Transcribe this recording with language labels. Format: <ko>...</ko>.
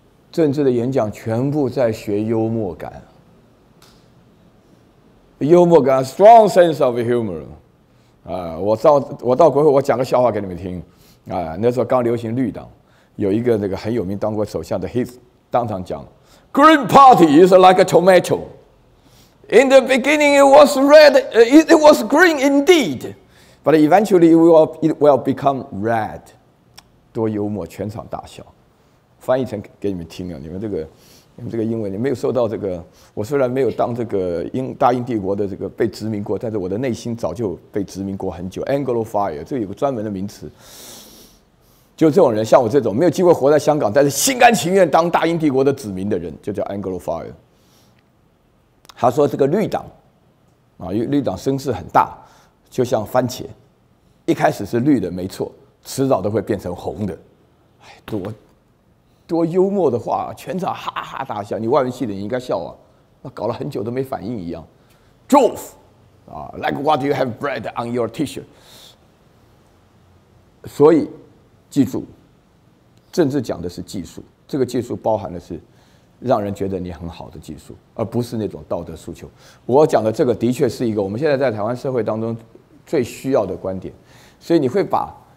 <zh>政治的演讲全部在学幽默感，幽默感 ，</zh> <en>strong sense of humor。</en> <zh>我到国会，我讲个笑话给你们听。那时候刚流行绿党，有一个那个很有名当过首相的 Heath 当场讲 ，</zh> <en>Green Party is like a tomato. In the beginning, it was red. It was green indeed, but eventually it will become red.</en> <zh>多幽默，全场大笑。翻译成给你们听啊！你们这个英文，你没有受到这个。我虽然没有当这个大英帝国的这个被殖民过，但是我的内心早就被殖民过很久。 Anglophile 这有个专门的名词，就这种人，像我这种没有机会活在香港，但是心甘情愿当大英帝国的子民的人，就叫 Anglophile。他说这个绿党啊，绿党声势很大，就像番茄，一开始是绿的没错，迟早都会变成红的。哎，多幽默的话，全场哈哈大笑。你外文系的，你应该笑啊，那搞了很久都没反应一样。</zh> <en>Jove, like what you have bread on your T-shirt。</en> <zh>所以，记住，政治讲的是技术，这个技术包含的是让人觉得你很好的技术，而不是那种道德诉求。我讲的这个的确是一个我们现在在台湾社会当中最需要的观点，所以你会把。</zh>